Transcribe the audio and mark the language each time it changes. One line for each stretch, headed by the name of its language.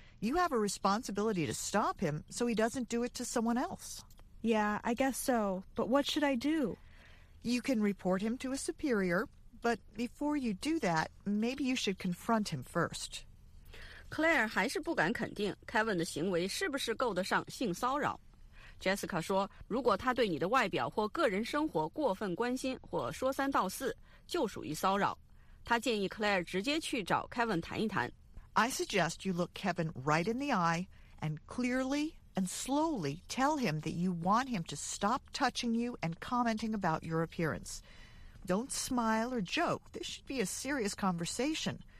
English: You have a responsibility to stop him so he doesn't do it to someone else. Yeah, I guess so. But what should I do? You can report him to a superior, but before you do that, maybe you should confront him first.
Chinese: Claire 还是不敢肯定 Kevin 的行为是不是够得上性骚扰。 Jessica 说，如果他对你的外表或个人生活过分关心或说三道四，就属于骚扰。他建议 Claire 直接去找 Kevin 谈一谈。
English: I suggest you look Kevin right in the eye and clearly and slowly tell him that you want him to stop touching you and commenting about your appearance. Don't smile or joke. This should be a serious conversation.